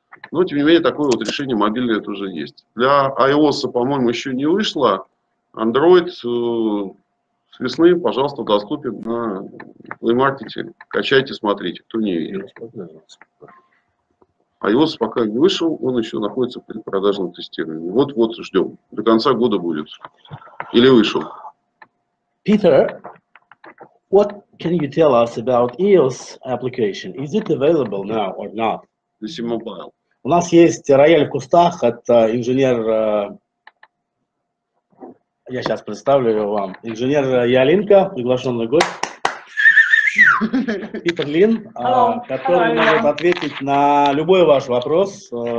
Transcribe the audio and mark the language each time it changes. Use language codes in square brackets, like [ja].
[ru] Но, тем не менее, такое вот решение мобильное тоже есть. Для iOS, по-моему, еще не вышло. Android с весны, пожалуйста, доступен на Play Market. Качайте, смотрите, кто не видел. iOS пока не вышел, он еще находится в предпродажном тестировании. Вот-вот ждем. До конца года будет. Или вышел. [en] Питер, what can you tell us about iOS application? Is it available now or not? This is mobile. [ru] У нас есть рояль в кустах, это инженер, я сейчас представлю его вам, инженер Ялинка, приглашенный гость, Питер Лин, который может ответить на любой ваш вопрос.